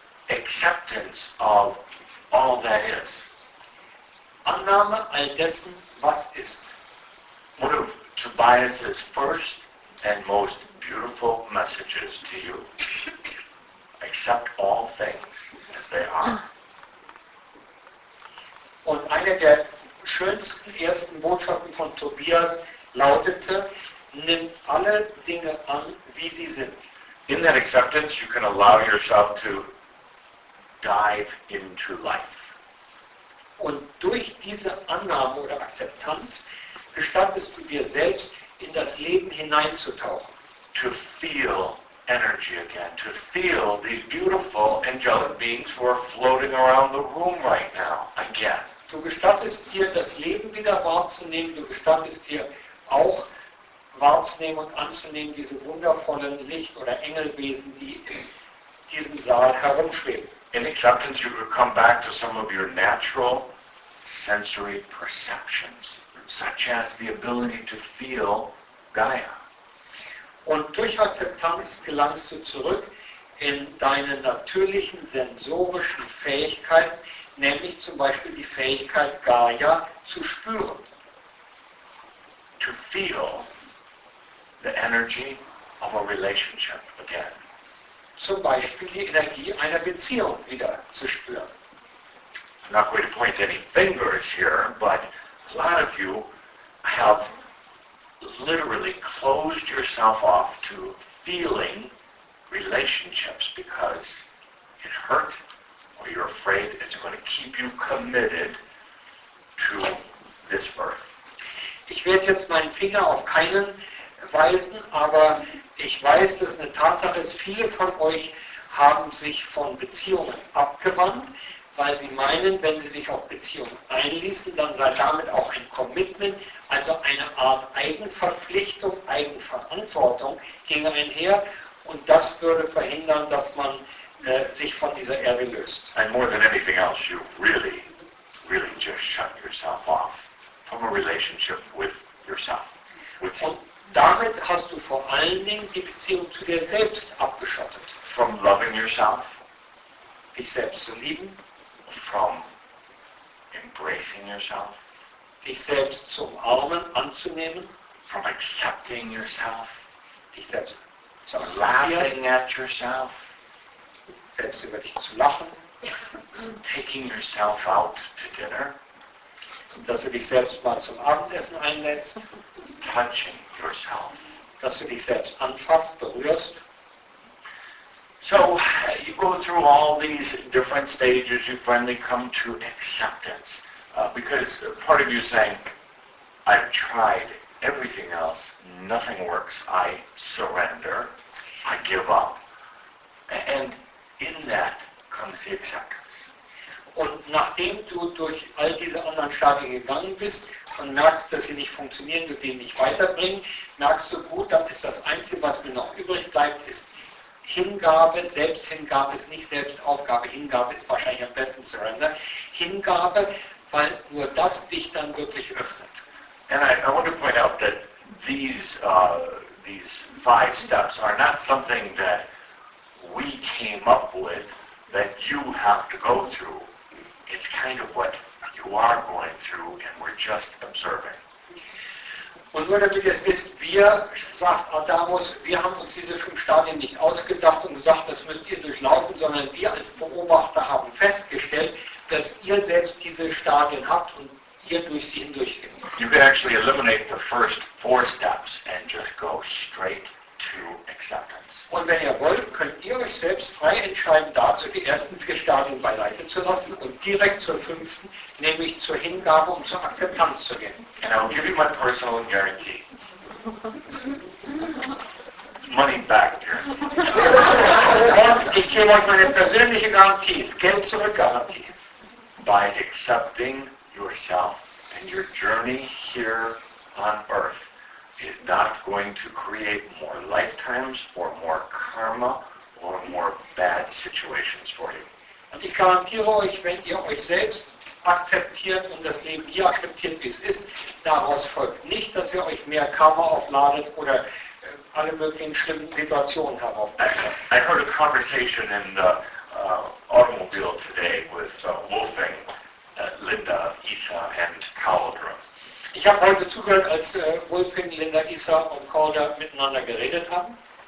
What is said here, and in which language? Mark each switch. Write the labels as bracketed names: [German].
[English] Acceptance of all that is. [German] Annahme all dessen, was ist. [English] One of Tobias' first and most beautiful messages to you. Accept all things as they are. [German] Und eine der schönsten ersten Botschaften von Tobias lautete, nimm alle Dinge an, wie sie sind. [English] In that acceptance, you can allow yourself to dive into life. [German] Und durch diese Annahme oder Akzeptanz gestattest du dir selbst, in das Leben hineinzutauchen. [English] To feel energy again, to feel these beautiful angelic beings who are floating around the room right now again. [German] Du gestattest dir, das Leben wieder wahrzunehmen, du gestattest dir auch wahrzunehmen und anzunehmen, diese wundervollen Licht- oder Engelwesen, die in diesem Saal herumschweben. [English] In acceptance you could come back to some of your natural sensory perceptions, such as the ability to feel Gaia. [German] Und durch Akzeptanz gelangst du zurück in deine natürlichen sensorischen Fähigkeiten, nämlich zum Beispiel die Fähigkeit, Gaia zu spüren. [English] To feel the energy of a relationship again. [German] Zum Beispiel die Energie einer Beziehung wieder zu spüren. [English] I'm not going to point any fingers here, but a lot of you have literally closed yourself off to feeling relationships because it hurt. You're afraid it's going to keep you committed to this birth. [German] Ich werde jetzt meinen Finger auf keinen weisen, aber ich weiß, dass eine Tatsache ist, viele von euch haben sich von Beziehungen abgewandt, weil sie meinen, wenn sie sich auf Beziehungen einließen, dann sei damit auch ein Commitment, also eine Art Eigenverpflichtung, Eigenverantwortung ging einher und das würde verhindern, dass man sich von dieser Erde löst. [English] And more than anything else, you really, really just shut yourself off from a relationship with yourself. With [German] und damit hast du vor allen Dingen die Beziehung zu dir selbst abgeschottet. [English] From loving yourself. [German] Dich selbst zu lieben. [English] From embracing yourself. [German] Dich selbst zu umarmen, anzunehmen. [English] From accepting yourself. [German] Dich selbst zu [English] laughing at yourself. [German] Selbst über dich zu lachen. [English] Taking yourself out to dinner. [German] Dass du dich selbst mal zum Abendessen einlädst. [English] Touching yourself. [German] Dass du dich selbst anfasst, berührst. [English] So, you go through all these different stages, you finally come to acceptance. Because part of you is saying, I've tried everything else, nothing works, I surrender, I give up. And in that comes the acceptance. [German] Und nachdem du durch all diese anderen Stadien gegangen bist und merkst, dass sie nicht funktionieren und die nicht weiterbringen, merkst du gut, dann ist das Einzige, was mir noch übrig bleibt, ist Hingabe, Selbsthingabe ist nicht Selbstaufgabe, Hingabe ist wahrscheinlich am besten Surrender, Hingabe, weil nur das dich dann wirklich öffnet. [English] And I want to point out that these five steps are not something that we came up with that you have to go through. It's kind of what you are going through and we're just observing. [German] Und nur damit ihr es wisst, wir, sagt Adamus, wir haben uns diese fünf Stadien nicht ausgedacht und gesagt, das müsst ihr durchlaufen, sondern wir als Beobachter haben festgestellt, dass ihr selbst diese Stadien habt und ihr durch sie hindurchgeht. [English] You can actually eliminate the first four steps and just go straight to acceptance. [German] Und wenn ihr wollt, könnt ihr euch selbst frei entscheiden, dazu die ersten vier Stadien beiseite zu lassen und direkt zur fünften, nämlich zur Hingabe und zur Akzeptanz zu gehen. [English] And I'll give you my personal guarantee. Money back here. [German] Und ich gebe euch meine persönliche Garantie, Geld zurück Garantie. [English] By accepting yourself and your journey here on earth is not going to create more lifetimes or more karma or more bad situations for you. [German] Und ich garantiere euch, wenn ihr euch selbst akzeptiert und das Leben hier akzeptiert, wie es ist, daraus folgt nicht, dass ihr euch mehr Karma aufladet oder alle möglichen schlimmen Situationen heraufbeschwert. [English] I heard a conversation in the automobile today with Wolfgang, Linda, Isa and Calder. [German] Ich habe heute zugehört, als Wolfgang, Linda, Isa und Calder miteinander geredet haben.